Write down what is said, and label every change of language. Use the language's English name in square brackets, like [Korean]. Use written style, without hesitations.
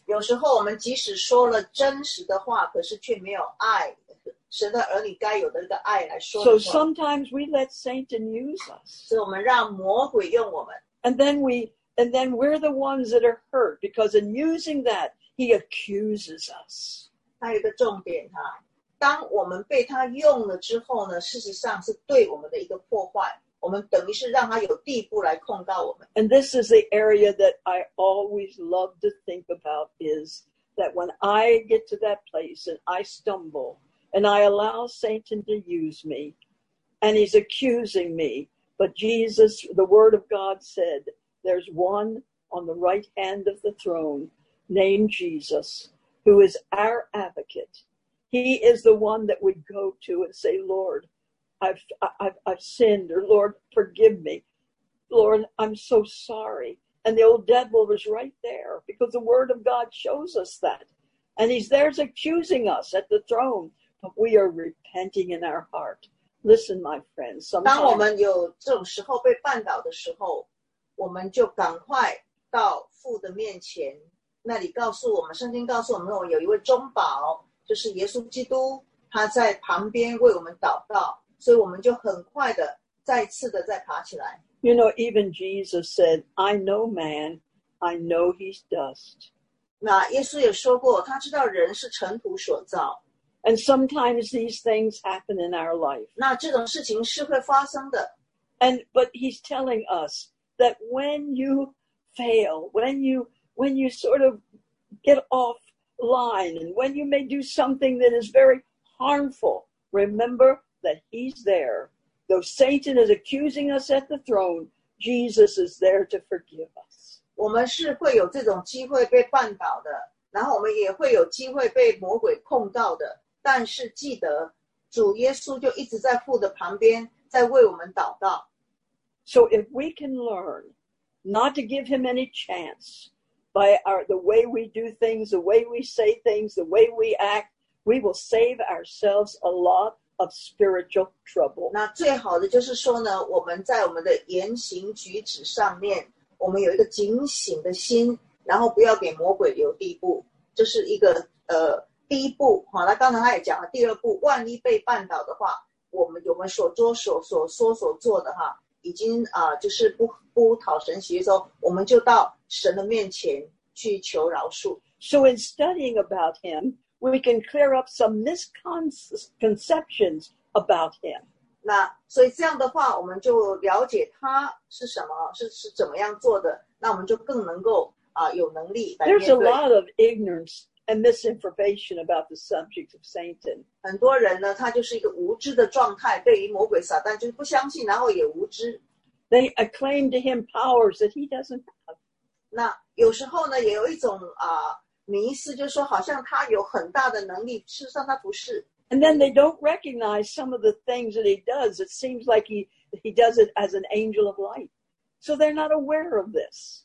[Chinese] 有时候我们即使说了真实的话，可是却没有爱，神的儿女该有的那个爱来说的话。 [English] So sometimes we let Satan use us. [Chinese] 所以我们让魔鬼用我们。 [English] And then we're the ones that are hurt because in using that, he accuses us. [Chinese] 还有一个重点哈，当我们被他用了之后呢，事实上是对我们的一个破坏。我们等于是让他有地步来控告我们。 [English] And this is the area that I always love to think about is that when I get to that place and I stumble and I allow Satan to use me and he's accusing me, but Jesus, the word of God said, there's one on the right hand of the throne named Jesus who is our advocate. He is the one that we go to and say, Lord,I've sinned, or Lord, forgive me. Lord, I'm so sorry. And the old devil was right there because the word of God shows us that. And he's there accusing us at the throne, but we are repenting in our heart. Listen, my friends, sometimes... [Chinese] 当我们有这种时候被绊倒的时候，我们就赶快到父的面前，那里告诉我们，圣经告诉我们，我有一位中保，就是耶稣基督，他在旁边为我们祷告。所以我们就很快的再次的再爬起来。 [English] You know, even Jesus said, I know man, I know he's dust. [Chinese] 那耶稣也说过，他知道人是尘土所造。 [English] And sometimes these things happen in our life. [Chinese] 那这种事情是会发生的。 [English] But he's telling us that when you fail, when you sort of get off line, and when you may do something that is very harmful, remember,that he's there. Though Satan is accusing us at the throne, Jesus is there to forgive us. [Chinese] 我们是会有这种机会被绊倒的，然后我们也会有机会被魔鬼控告的，但是记得主耶稣就一直在父的旁边在为我们祷告。 [English] So if we can learn not to give him any chance by the way we do things, the way we say things, the way we act, we will save ourselves a lot. Of spiritual trouble. [Chinese] 那最好的就是说呢，我们在我们的言行举止上面，我们有一个警醒的心，然后不要给魔鬼留地步。就是一个第一步，好，那刚才他也讲了第二步，万一被绊倒的话，我们有没有所做所做的哈，已经就是不讨神喜悦，说我们就到神的面前去求饶恕。 [English] So in studying about him, we can clear up some misconceptions about him. [Chinese] 那所以这样的话，我们就了解他是什么，是怎么样做的，那我们就更能够有能力来面对。 [English] There's a lot of ignorance. And misinformation about the subject of Satan. [Chinese] 很多人呢，他就是一个无知的状态，对于魔鬼撒旦就是不相信，然后也无知。 [English] They acclaim to him powers that he doesn't have. [Chinese] 那有时候呢，也有一种迷思，就是说好像他有很大的能力，事实上他不是。 [English] And then they don't recognize some of the things that he does. It seems like he does it as an angel of light. So they're not aware of this.